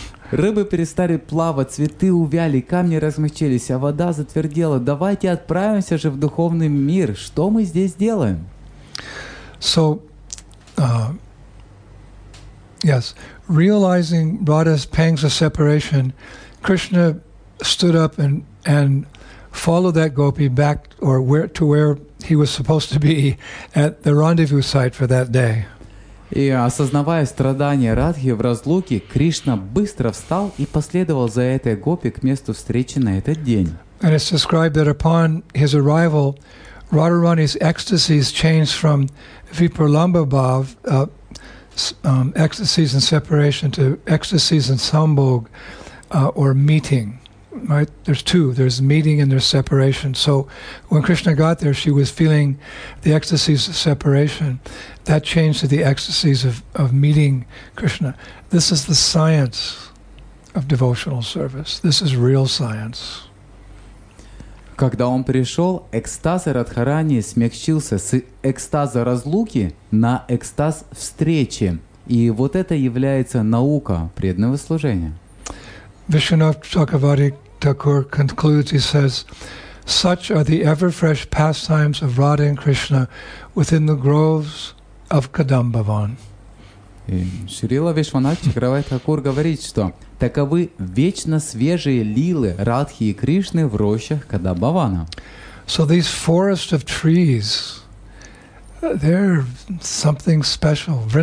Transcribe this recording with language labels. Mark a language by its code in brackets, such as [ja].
[ru] Рыбы перестали плавать, цветы увяли, камни размягчились, а вода затвердела. Давайте отправимся же в духовный мир. Что мы здесь делаем? [en] So, yes, realizing Radha's pangs of separation, Krishna stood up and followed that gopi back or where to where he was supposed to be at the rendezvous site for that day. [ru] И осознавая страдания Радхи в разлуке, Кришна быстро встал и последовал за этой гопи к месту встречи на этот день. [en] And it's described that upon his arrival, Radharani's ecstasies changed from Viparlamba Bhav, ecstasies and separation, to ecstasies and sambhog, or meeting. Right? There's two. There's meeting and there's separation. So when Krishna got there, she was feeling the ecstasies of separation. That changed to the ecstasies of meeting Krishna. This is the science of devotional service. This is real science. [ru] Когда он пришел, экстаз Радхарани смягчился с экстаза разлуки на экстаз встречи. И вот это является наука преданного служения. [en] Vishwanath Chakravarti Thakur concludes, he says, such are the ever-fresh pastimes of Radha and Krishna within the groves of Kadambavan. [ru] Шрила Вишванатх Чакравати Такур говорит, что таковы вечно свежие лилы Радхи и Кришны в рощах Кадамбавана. [en] So these forests of trees, they're something special.